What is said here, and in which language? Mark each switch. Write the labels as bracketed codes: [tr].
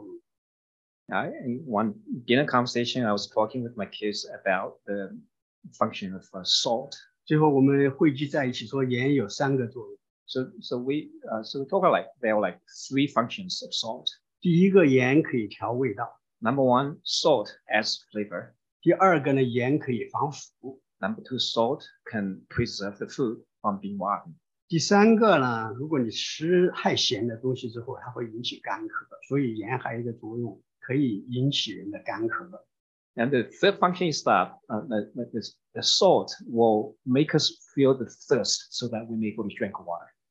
[en] In a conversation, I was talking with my kids about the function of salt. [zh] 最后我们汇聚在一起说盐有三个作用。 [en] So we talk about like there are like three functions of salt. [zh] 第一个，盐可以调味道。Number [en] one, salt adds flavor. [zh] 第二个呢，盐可以防腐。Number [en] two, salt can preserve the food from being rotten. [zh] 第三个呢，如果你吃太咸的东西之后，它会引起干咳，所以盐还有一个作用，可以引起人的干咳。And [en] the third function is that the salt will make us feel the thirst so that we may be able to drink water.